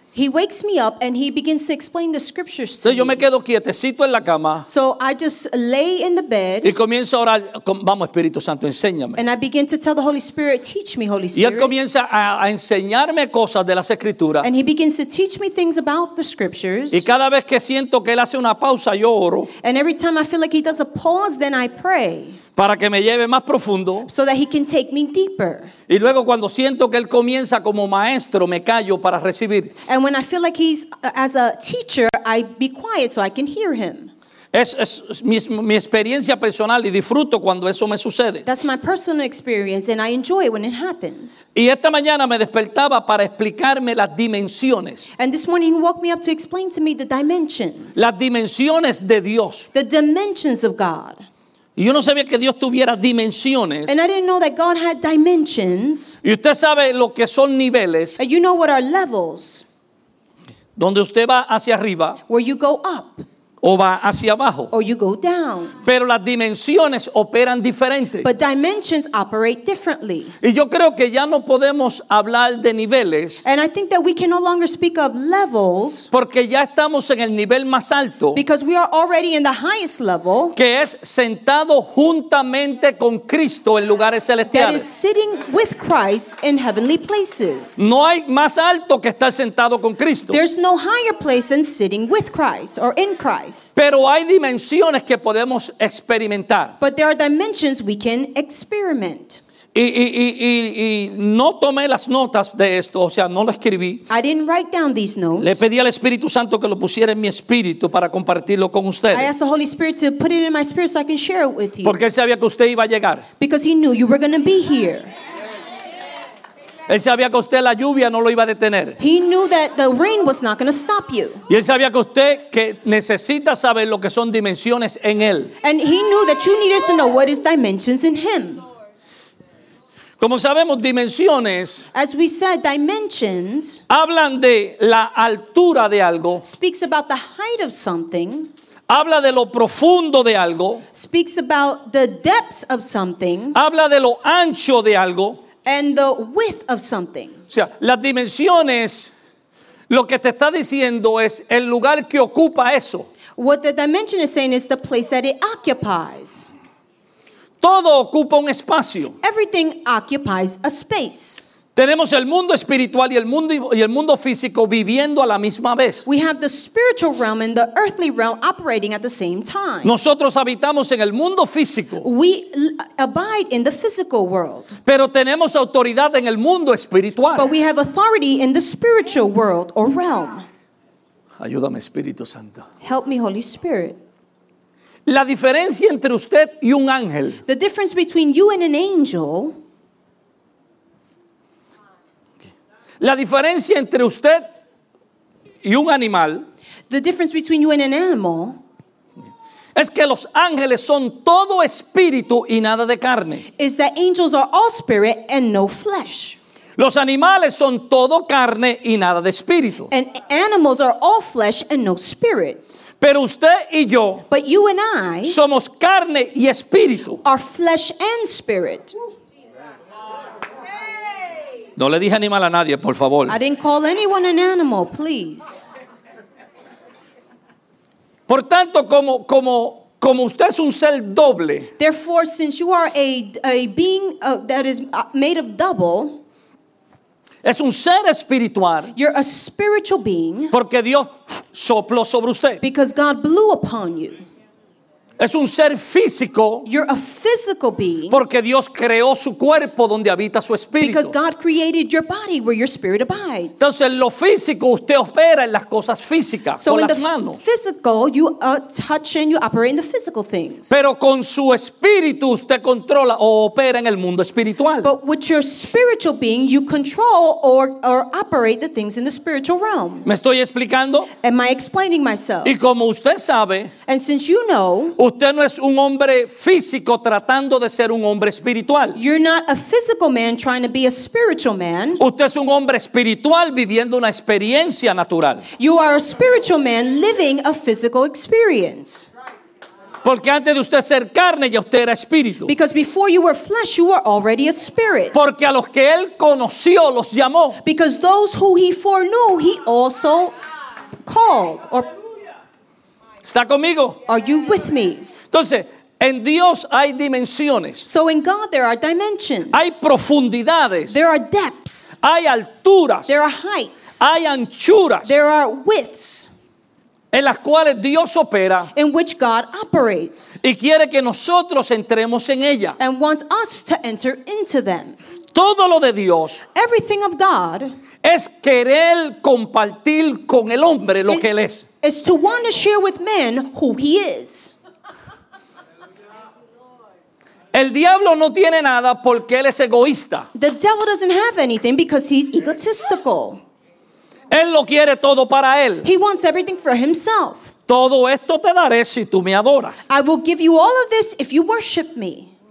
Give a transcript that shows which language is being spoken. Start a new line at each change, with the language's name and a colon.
English: He wakes me up and he begins to explain the scriptures to me.
Spanish: Yo me quedo quietecito en la cama.
English: So I just lay in the bed.
Spanish: Y comienzo a orar, vamos Espíritu Santo, enséñame.
English: And I begin to tell the Holy Spirit, teach me, Holy Spirit.
Spanish: Y él comienza a enseñarme cosas de las escrituras.
English: And he begins to teach me things about the scriptures.
Spanish: Y cada vez que siento que él hace una pausa, yo oro.
English: And every time I feel like he does a pause, then I pray.
Spanish: Para que me lleve más profundo.
English: So that he can take me deeper.
Spanish: Y luego cuando siento que él comienza como maestro, me callo para recibir.
English: And when I feel like he's as a teacher, I be quiet so I can hear him.
Spanish: Es mi experiencia personal y disfruto cuando eso me sucede.
English: That's my personal experience and I enjoy it when it happens.
Spanish: Y esta mañana me despertaba para explicarme las dimensiones.
English: And this morning he woke me up to explain to me the dimensions.
Spanish: Las dimensiones de Dios.
English: The dimensions of God.
Spanish: Y yo no sabía que Dios tuviera dimensiones.
English: And I didn't know that God had dimensions.
Spanish: Y usted sabe lo que son niveles.
English: And you know what are levels.
Spanish: Donde usted va hacia arriba.
English: Where you go up.
Spanish: O va hacia abajo.
English: Or you go down.
Spanish: Pero las dimensiones operan diferente.
English: But dimensions operate differently.
Spanish: Y yo creo que ya no podemos hablar de niveles.
English: And I think that we can no longer speak of levels.
Spanish: Porque ya estamos en el nivel más alto.
English: Because we are already in the highest level.
Spanish: Que es sentado juntamente con Cristo en lugares celestiales.
English: That is sitting with Christ in heavenly places.
Spanish: No hay más alto que estar sentado con Cristo.
English: There's no higher place than sitting with Christ or in Christ.
Spanish: Pero hay dimensiones que podemos experimentar.
English: But there are dimensions we can experiment.
Spanish: Y no tomé las notas de esto, o sea, no lo escribí.
English: I didn't write down these notes.
Spanish: Le pedí al Espíritu Santo que lo pusiera en mi espíritu para compartirlo con ustedes.
English: I asked the Holy Spirit to put it in my spirit so I can share it with you.
Spanish: Porque él sabía que usted iba a llegar.
English: Because he knew you were going to be here.
Spanish: Él sabía que usted la lluvia no lo iba a detener.
English: He knew that the rain was not going to stop you.
Spanish: Y él sabía que usted que necesita saber lo que son dimensiones en él.
English: And he knew that you needed to know what is dimensions in him.
Spanish: Como sabemos, dimensiones,
English: as we said, dimensions,
Spanish: hablan de la altura de algo,
English: speaks about the height of something,
Spanish: habla de lo profundo de algo,
English: speaks about the depths of something,
Spanish: habla de lo ancho de algo,
English: and the width of something.
Spanish: O sea, las dimensiones, lo que te está diciendo es el lugar que ocupa eso.
English: What the dimension is saying is the place that it occupies.
Spanish: Todo ocupa un espacio.
English: Everything occupies a space.
Spanish: Tenemos el mundo espiritual y el mundo físico viviendo a la misma vez.
English: We have the spiritual realm and the earthly realm operating at the same time.
Spanish: Nosotros habitamos en el mundo físico.
English: We abide in the physical world.
Spanish: Pero tenemos autoridad en el mundo espiritual.
English: But we have authority in the spiritual world or realm.
Spanish: Ayúdame, Espíritu Santo.
English: Help me, Holy Spirit.
Spanish: La diferencia entre usted y un ángel.
English: The difference between you and an angel.
Spanish: La diferencia entre usted y un animal.
English: The difference between you and an animal.
Spanish: Es que los ángeles son todo espíritu y nada de carne.
English: Is that angels are all spirit and no flesh.
Spanish: Los animales son todo carne y nada de espíritu.
English: And animals are all flesh and no spirit.
Spanish: Pero usted y yo,
English: but you and I,
Spanish: somos carne y espíritu.
English: Are flesh and spirit.
Spanish: No le dije animal a nadie, por favor.
English: I didn't call anyone an animal, please.
Spanish: Por tanto, como usted es un ser doble.
English: Therefore, since you are a being that is made of double.
Spanish: Es un ser espiritual.
English: You're a spiritual being.
Spanish: Porque Dios sopló sobre usted.
English: Because God blew upon you.
Spanish: Es un ser físico.
English: You're a physical being.
Spanish: Porque Dios creó su cuerpo donde habita su espíritu.
English: Because God created your body where your spirit abides.
Spanish: Entonces, lo físico usted opera en las cosas físicas,
English: so
Spanish: con
English: in
Spanish: las
English: the
Spanish: manos.
English: Physical, you touch and you operate in the physical things.
Spanish: Pero con su espíritu usted controla o opera en el mundo espiritual.
English: But with your spiritual being, you control or operate the things in the spiritual realm.
Spanish: ¿Me estoy explicando?
English: Am I explaining myself?
Spanish: Y como usted sabe,
English: and since you know,
Spanish: usted no es un hombre físico tratando de ser un hombre espiritual.
English: You're not a physical man trying to be a spiritual man.
Spanish: Usted es un hombre espiritual viviendo una experiencia natural.
English: You are a spiritual man living a physical experience.
Spanish: Porque antes de usted ser carne, ya usted era espíritu.
English: Because before you were flesh, you were already a spirit.
Spanish: Porque a los que él conoció, los llamó.
English: Because those who he foreknew, he also called or
Spanish: ¿está conmigo?
English: Are you with me?
Spanish: Entonces, en Dios hay dimensiones.
English: So in God there are dimensions.
Spanish: Hay profundidades.
English: There are depths.
Spanish: Hay alturas.
English: There are heights.
Spanish: Hay anchuras.
English: There are widths.
Spanish: En las cuales Dios opera.
English: In which God operates.
Spanish: Y quiere que nosotros entremos en ella.
English: And wants us to enter into them.
Spanish: Todo lo de Dios.
English: Everything of God.
Spanish: Es querer compartir con el hombre lo que él es.
English: Is to want to share with man who he is.
Spanish: El diablo no tiene nada porque él es egoísta.
English: The devil doesn't have anything because he's egotistical.
Spanish: Él lo quiere todo para él.
English: He wants everything for himself.
Spanish: Todo esto te daré si tú me adoras.
English: I will give you all of this if you worship me.